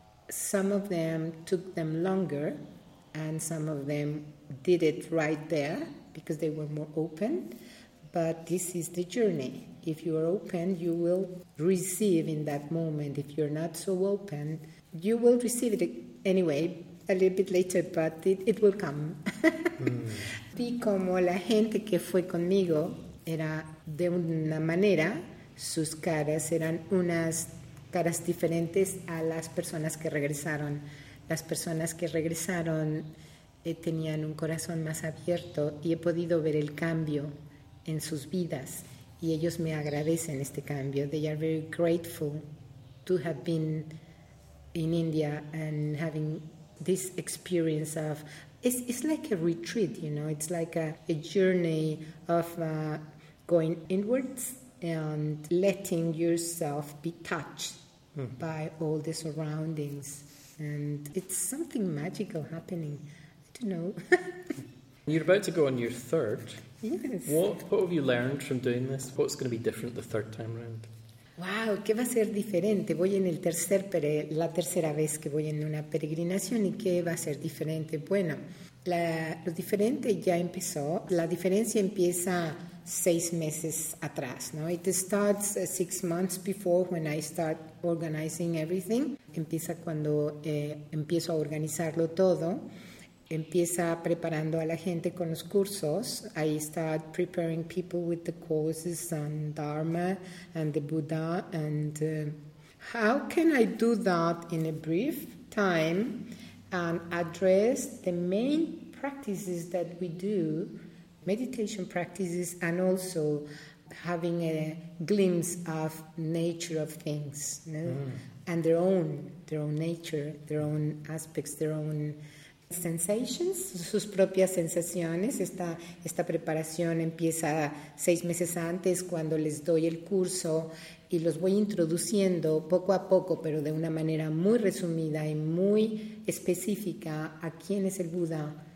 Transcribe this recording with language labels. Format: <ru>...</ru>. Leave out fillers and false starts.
<en>Some of them took them longer, and some of them did it right there because they were more open, but this is the journey. If you are open, you will receive in that moment. If you're not so open, you will receive it anyway, a little bit later, but it will come.</en> <es>Vi como la gente que fue conmigo era de una manera, sus caras eran unas caras diferentes a las personas que regresaron. Las personas que regresaron tenían un corazón más abierto y he podido ver el cambio en sus vidas y ellos me agradecen este cambio.</es> <en>They are very grateful to have been in India and having this experience of... It's like a retreat, you know, it's like a journey of going inwards and letting yourself be touched by all the surroundings. And it's something magical happening. I don't know. You're about to go on your third. Yes. What have you learned from doing this? What's going to be different the third time around?</en> <es>Wow, ¿qué va a ser diferente? Voy en el tercer, pero la tercera vez que voy en una peregrinación, ¿y qué va a ser diferente? Bueno, lo diferente ya empezó. La diferencia empieza 6 meses atrás, ¿no?</es> <en>It starts 6 months before when I start organizing everything.</en> <es>Empieza cuando empiezo a organizarlo todo. Empieza preparando a la gente con los cursos.</es> <en>I start preparing people with the courses on Dharma and the Buddha. And how can I do that in a brief time and address the main practices that we do, meditation practices, and also having a glimpse of nature of things, you know? And their own nature, their own aspects, their own sensations,</en> <es>sus propias sensaciones. Esta preparación empieza 6 meses antes cuando les doy el curso y los voy introduciendo poco a poco, pero de una manera muy resumida y muy específica, a quién es el Buda,</es>